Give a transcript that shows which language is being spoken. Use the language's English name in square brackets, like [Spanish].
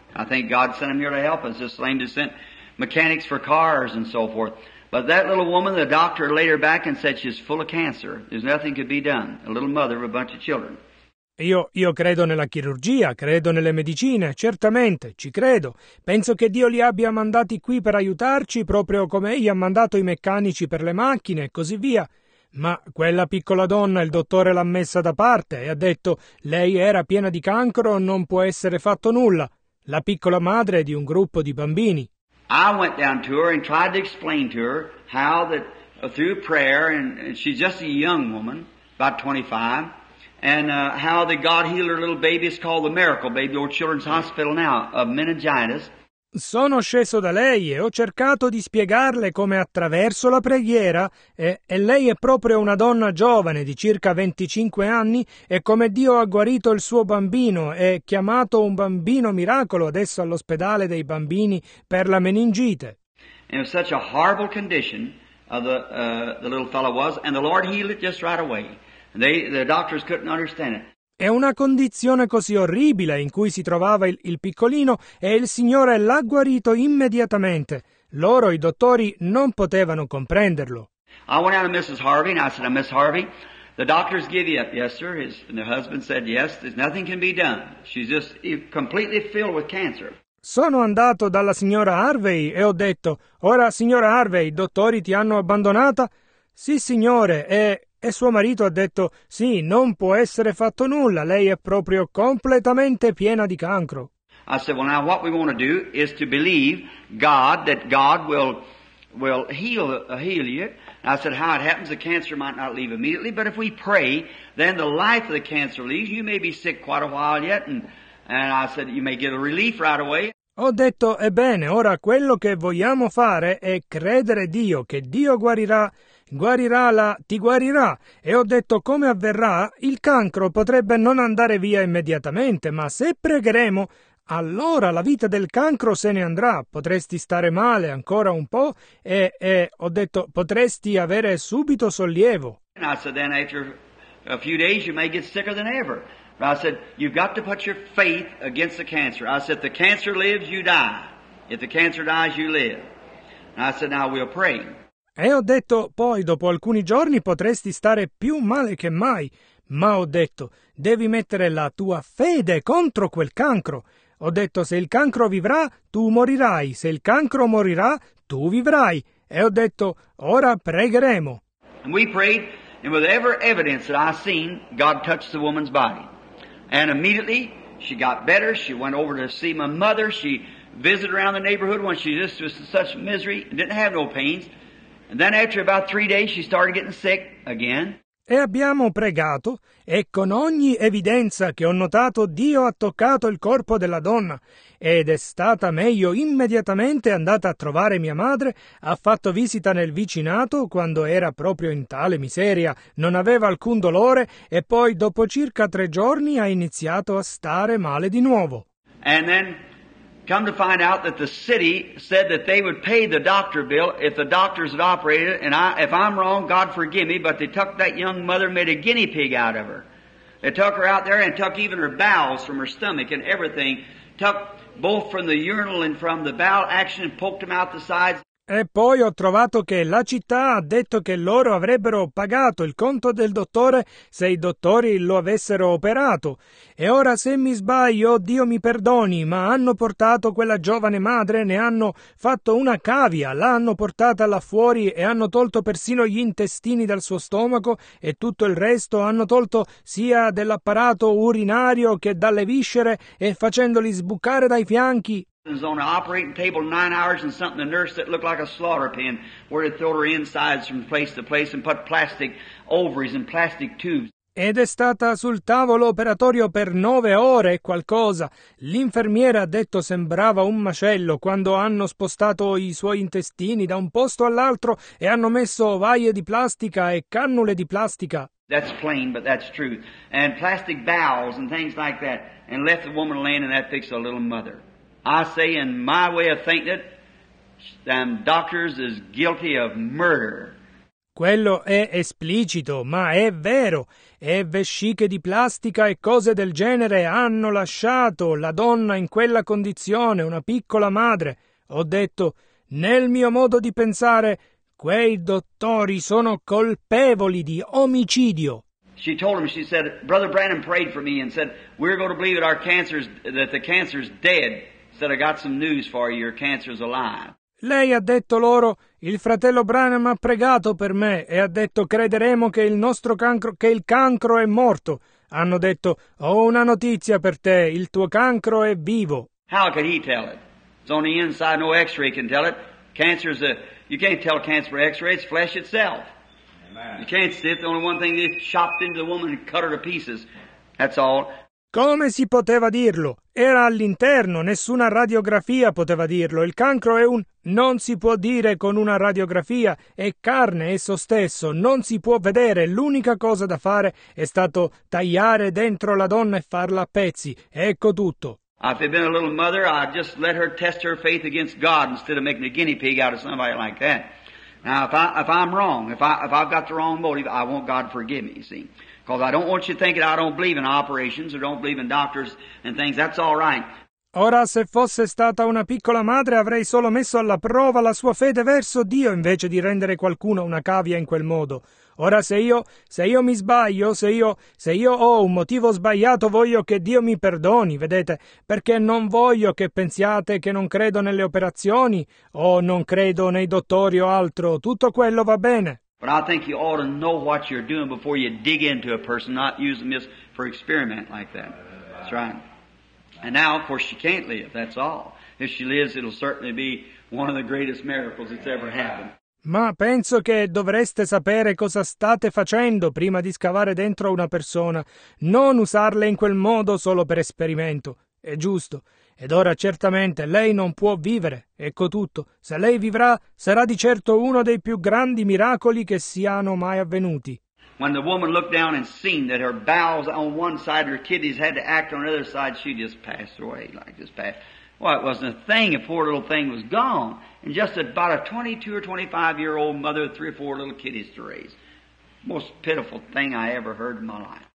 [English] I think God sent him here to help us. This lame descent mechanics for cars and so forth. But that little woman, the doctor laid her back and said she's full of cancer. There's nothing could be done. A little mother of a bunch of children. [Italian] Io credo nella chirurgia, credo nelle medicine, certamente, ci credo. Penso che Dio li abbia mandati qui per aiutarci, proprio come egli ha mandato i meccanici per le macchine e così via. Ma quella piccola donna, il dottore l'ha messa da parte e ha detto lei era piena di cancro, non può essere fatto nulla. La piccola madre di un gruppo di bambini. [English] I went down to her and tried to explain to her how that through prayer, and she's just a young woman, about 25, and how the God healed her little baby is called the miracle baby or children's hospital now of meningitis. [Italian] Sono sceso da lei e ho cercato di spiegarle come attraverso la preghiera e lei è proprio una donna giovane di circa 25 anni e come Dio ha guarito il suo bambino e chiamato un bambino miracolo adesso all'ospedale dei bambini per la meningite. [English] In such a horrible condition of the little fellow was, and the Lord healed it just right away. The doctors couldn't understand it. [Italian] È una condizione così orribile in cui si trovava il piccolino e il Signore l'ha guarito immediatamente. Loro, i dottori, non potevano comprenderlo. [English] I went out to Mrs. Harvey and I said, Miss Harvey, the doctors give you up. Yes, sir. And the husband said, yes, there's nothing can be done. She's just completely filled with cancer. [Italian] Sono andato dalla signora Harvey e ho detto, ora, signora Harvey, i dottori ti hanno abbandonata? Sì, signore, E suo marito ha detto, sì, non può essere fatto nulla, lei è proprio completamente piena di cancro. [English] I said, well now what we want to do is to believe God, that God will heal you. And I said, how it happens, the cancer might not leave immediately, but if we pray, then the life of the cancer leaves, you may be sick quite a while yet, and I said, you may get a relief right away. [Italian] Ho detto, ebbene, ora quello che vogliamo fare è credere Dio, che Dio guarirà, e ho detto come avverrà, il cancro potrebbe non andare via immediatamente, ma se pregheremo, allora la vita del cancro se ne andrà, potresti stare male ancora un po', e ho detto, potresti avere subito sollievo. E ho detto, [English] then after a few days you may get sicker than ever. But I said, you've got to put your faith against the cancer. I said, if the cancer lives, you die. If the cancer dies, you live. And I said, now we'll pray. [Italian] E ho detto, poi dopo alcuni giorni potresti stare più male che mai. Ma ho detto, devi mettere la tua fede contro quel cancro. Ho detto, se il cancro vivrà, tu morirai, se il cancro morirà, tu vivrai. E ho detto, ora pregheremo. [English] And we prayed, and with every evidence that I've seen, God touched the woman's body. And immediately, she got better, she went over to see my mother, she visited around the neighborhood when she just was in such misery, and didn't have no pains. And then after about 3 days, she started getting sick again. [Italian] E abbiamo pregato, e con ogni evidenza che ho notato, Dio ha toccato il corpo della donna. Ed è stata meglio, immediatamente è andata a trovare mia madre, ha fatto visita nel vicinato quando era proprio in tale miseria, non aveva alcun dolore, e poi dopo circa 3 giorni ha iniziato a stare male di nuovo. [English] And then come to find out that the city said that they would pay the doctor bill if the doctors had operated, and if I'm wrong, God forgive me, but they took that young mother, made a guinea pig out of her. They took her out there and took even her bowels from her stomach and everything, took both from the urinal and from the bowel action and poked them out the sides. [Italian] E poi ho trovato che la città ha detto che loro avrebbero pagato il conto del dottore se i dottori lo avessero operato. E ora, se mi sbaglio, Dio mi perdoni, ma hanno portato quella giovane madre, ne hanno fatto una cavia, l'hanno portata là fuori e hanno tolto persino gli intestini dal suo stomaco e tutto il resto, hanno tolto sia dell'apparato urinario che dalle viscere e facendoli sbucare dai fianchi. [English] Was on an operating table 9 hours and something, the nurse that looked like a slaughter pen, where they throw her insides from place to place and put plastic ovaries and plastic tubes. [Italian] Ed è stata sul tavolo operatorio per 9 ore e qualcosa. L'infermiera ha detto sembrava un macello quando hanno spostato i suoi intestini da un posto all'altro e hanno messo ovaie di plastica e cannule di plastica. [English] That's plain, but that's true. And plastic bowels and things like that, and left the woman laying in that fix a little mother. I say, in my way of thinking it, them doctors is guilty of murder. [Italian] Quello è esplicito, ma è vero. E vesciche di plastica e cose del genere hanno lasciato la donna in quella condizione, una piccola madre. Ho detto, nel mio modo di pensare, quei dottori sono colpevoli di omicidio. [English] She told him, she said, Brother Branham prayed for me and said, we're going to believe that our cancer is, that the cancer is dead. Said, I got some news for you, your cancer is alive. [Italian] Lei ha detto loro, il fratello Branham ha pregato per me e ha detto, crederemo che il nostro cancro, che il cancro è morto. Hanno detto, ho una notizia per te, il tuo cancro è vivo. [English] How could he tell it? It's on the inside, no x-ray can tell it. Cancer is a, you can't tell cancer by x-ray, it's flesh itself. Amen. You can't see it, the only one thing they chopped into the woman and cut her to pieces, that's all. [Italian] Come si poteva dirlo? Era all'interno, nessuna radiografia poteva dirlo. Il cancro è un non si può dire con una radiografia, è carne esso stesso, non si può vedere. L'unica cosa da fare è stato tagliare dentro la donna e farla a pezzi. Ecco tutto. [English] If it'd been a little mother, I'd just let her test her faith against God instead of making a guinea pig out of somebody like that. Now, if I've got the wrong motive, I want God to forgive me, you see. Because I don't want you thinking I don't believe in operations or don't believe in doctors and things. That's all right. [Italian] Ora, se fosse stata una piccola madre, avrei solo messo alla prova la sua fede verso Dio invece di rendere qualcuno una cavia in quel modo. Ora, se io mi sbaglio, se io ho un motivo sbagliato, voglio che Dio mi perdoni, vedete? Perché non voglio che pensiate che non credo nelle operazioni o non credo nei dottori o altro. Tutto quello va bene. [English] But I think you ought to know what you're doing before you dig into a person, not using this for experiment like that. That's right. And now, of course, she can't live, that's all. If she lives, it'll certainly be one of the greatest miracles that's ever happened. [Italian] Ma penso che dovreste sapere cosa state facendo prima di scavare dentro una persona. Non usarle in quel modo solo per esperimento. È giusto. Ed ora, certamente, lei non può vivere. Ecco tutto. Se lei vivrà, sarà di certo uno dei più grandi miracoli che siano mai avvenuti. [English] When the woman looked down and seen that her bowels on one side, her kidneys had to act on the other side, she just passed away, like this passed. Well, it wasn't a thing. A poor little thing was gone. And just about a 22 or 25-year-old mother with 3 or 4 little kidneys to raise. Most pitiful thing I ever heard in my life.